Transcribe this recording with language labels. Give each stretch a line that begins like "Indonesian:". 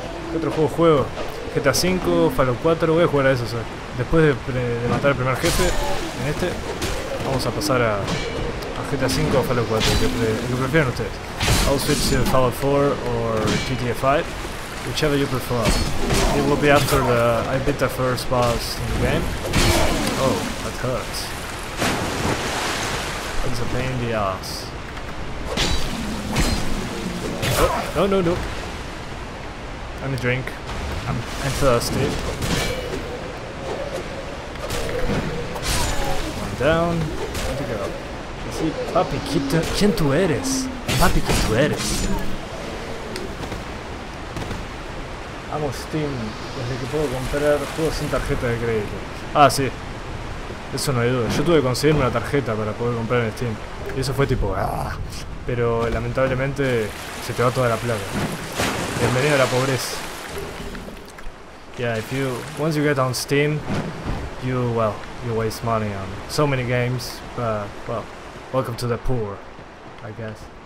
Spanish: ¿Qué otro juego juego? GTA 5, Fallout 4, voy a jugar a eso, ¿sabes? Después de matar al primer jefe, en este, vamos a pasar a GTA 5 o Fallout 4, lo que prefieren ustedes.
English: I'll switch to Fallout 4 or GTA 5, whichever you prefer. It will be after the I beat the first boss in the game. Oh, that hurts. It's a pain in the ass. No. I'm a drink. I'm thirsty. Down, to go. You see,
Spanish: papi, quien tu eres? Papi, quien tu eres? Amo Steam desde que puedo comprar juegos sin tarjeta de crédito. Ah, sí. Eso no hay duda. Yo tuve que conseguirme una tarjeta para poder comprar en Steam. Y eso fue tipo, pero lamentablemente se te va toda la plata. Bienvenido a la pobreza.
English: Yeah, once you get on Steam, you waste money on so many games, but, well, welcome to the poor, I guess.